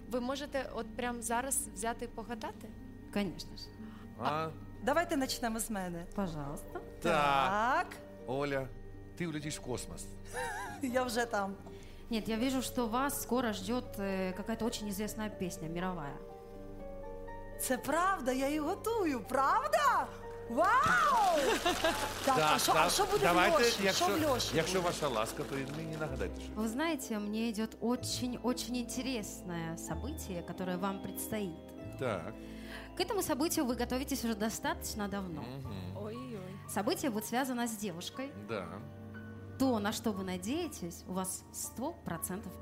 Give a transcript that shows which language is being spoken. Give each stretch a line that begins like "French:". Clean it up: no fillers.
Russian: Вы можете вот прям зараз взять и погадать? Конечно же. Давайте начнем с меня. Пожалуйста. Так. Оля, ты улетишь в космос. Я уже там. Нет, я вижу, что вас скоро ждет какая-то очень известная песня, мировая.
Ukrainian: Це правда, я ее готую, правда?
Russian: Вау! Так, а что будет давайте, в Лёше?
Ukrainian: Якщо, якщо ваша ласка, то мне не нагадайте.
Russian: Вы знаете, мне идет очень-очень интересное событие, которое вам предстоит. Так. К этому событию вы готовитесь уже достаточно давно. Ой-ой. Событие будет связано с девушкой. Да. То, на что вы надеетесь, у вас 100% получится.